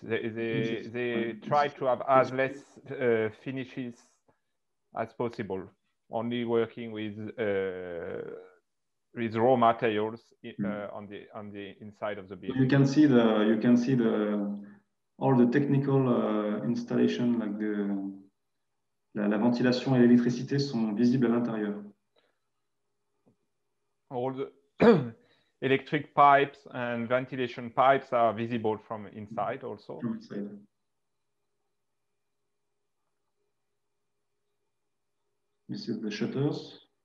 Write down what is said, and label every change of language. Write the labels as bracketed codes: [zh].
[en] They try to have as less finishes as possible, only working with raw materials on the inside of the building. You can see the all the technical installation, like the. [fr] La ventilation et l'électricité sont visibles à l'intérieur. [en] All the electric pipes and ventilation pipes are visible from inside also. From inside. This is the shutters.